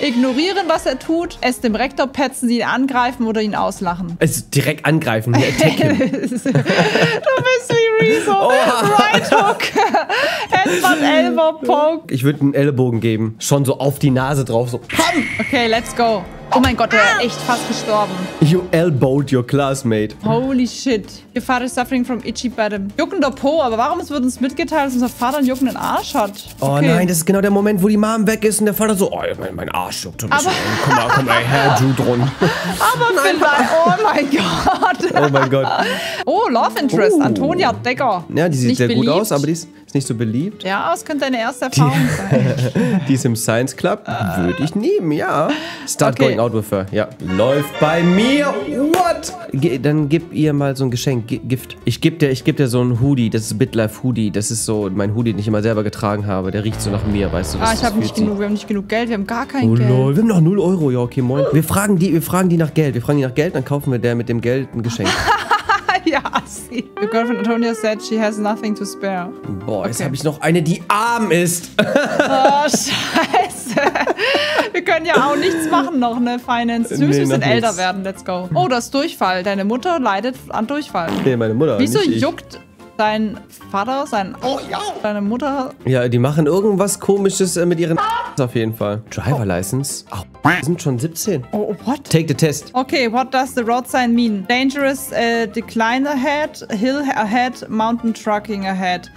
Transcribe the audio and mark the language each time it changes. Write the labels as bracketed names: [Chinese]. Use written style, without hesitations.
[German] Ignorieren, was er tut, es dem Rektor petzen, ihn angreifen oder ihn auslachen. Also direkt angreifen, die attacken. Du bist wie Rezo. Oh. Right Hook. [English] Headbutt, Elbow, Poke. [German] Ich würde einen Ellenbogen geben. Schon so auf die Nase drauf. So. [English] Okay, let's go. [German] Oh mein Gott, der ist echt fast gestorben. [English] You elbowed your classmate. Holy shit. Your father is suffering from itchy bottom. [German] Juckender Po, aber warum wird uns mitgeteilt, dass unser Vater einen juckenden Arsch hat? Okay. Oh nein, das ist genau der Moment, wo die Mom weg ist und der Vater so, oh, mein Arsch juckt. Komm mal her, Judron. Aber vielleicht, oh mein Gott. Oh mein Gott. Oh, Love Interest, Antonia Decker. Ja, die sieht nicht sehr beliebt. Gut aus, aber die ist nicht so beliebt. Ja, es könnte deine erste Erfahrung sein. Die ist im Science Club, würde ich nehmen, ja. Start okay. [English] Going out with her, [German] ja. Läuft bei mir, what? Dann gib ihr mal so ein Geschenk, Gift. Ich geb dir so ein Hoodie, das ist Bitlife Hoodie. Das ist so mein Hoodie, den ich immer selber getragen habe. Der riecht so nach mir, weißt du. Ah, ich habe nicht genug, wir haben nicht genug Geld, wir haben gar kein Geld. Wir haben noch 0 Euro, ja, okay, moin. Wir fragen die nach Geld, dann kaufen wir der mit dem Geld ein Geschenk. Ja, sie. [English] Your girlfriend Antonia said she has nothing to spare. [German] Boah, okay. Jetzt habe ich noch eine, die arm ist. Oh, scheiße. Wir können ja auch nichts machen noch, ne? Finance. Süßes nee, und älter werden, [English] let's go. [German] Oh, das Durchfall. Deine Mutter leidet an Durchfall. Nee, meine Mutter. Wieso nicht juckt ich. Dein Vater, sein. Oh ja! Deine Mutter. Ja, die machen irgendwas Komisches mit ihren. Auf jeden Fall. Driver License? Au. Wir sind schon 17. [English] Oh, what? Take the test. Okay, what does the road sign mean? Dangerous, decline ahead, hill ahead, mountain trucking ahead.